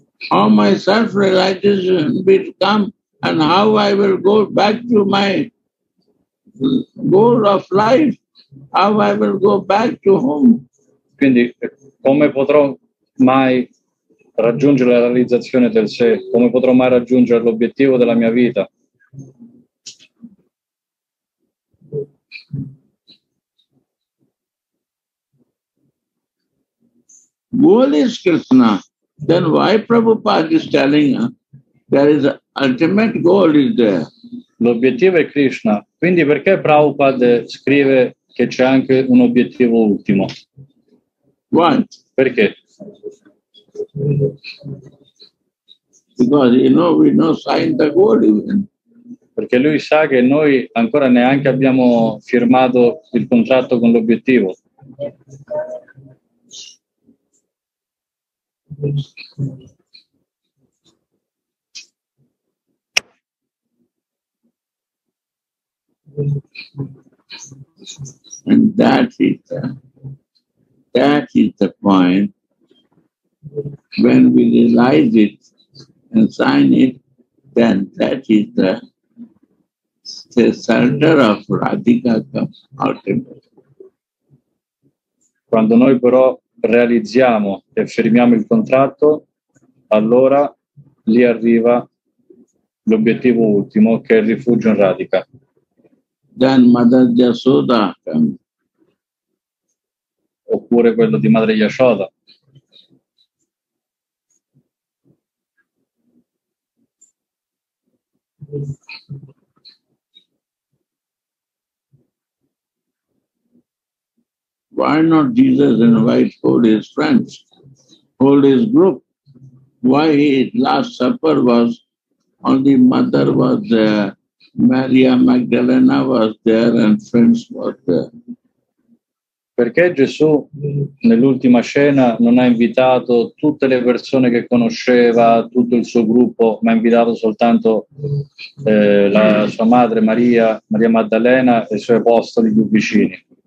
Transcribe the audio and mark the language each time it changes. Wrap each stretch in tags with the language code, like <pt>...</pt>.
<en>How my self-realization become and how I will go back to my goal of life, how I will go back to home.</en> <it>Quindi come potrò mai raggiungere la realizzazione del sé, come potrò mai raggiungere l'obiettivo della mia vita?</it> <en>Goal is Krishna. Then why Prabhupada is telling there is ultimate goal is there?</en> <it>L'obiettivo è Krishna. Quindi perché Prabhupada scrive che c'è anche un obiettivo ultimo?</it> <en>Why?</en> <it>Perché?</it> <en>Because you know we not signed the goal even.</en> <it>Perché lui sa che noi ancora neanche abbiamo firmato il contratto con l'obiettivo.</it> <en>And that is the point. When we realize it and sign it, then that is the center of Radhika ultimate.</en> <it>Quando noi però realizziamo e firmiamo il contratto, allora lì arriva l'obiettivo ultimo, che è il rifugio in Radhika.</it> <en>Then Mother Yashoda.</en> <it>Oppure quello di Madre Yashoda.</it> <en>Why not Jesus invite all his friends, all his group? Why his last supper was only mother was there, Maria Magdalena was there and friends were there?</en> <it>Perché Gesù nell'ultima cena non ha invitato tutte le persone che conosceva, tutto il suo gruppo, ma ha invitato soltanto la sua madre Maria Maddalena e i suoi apostoli più vicini?</it>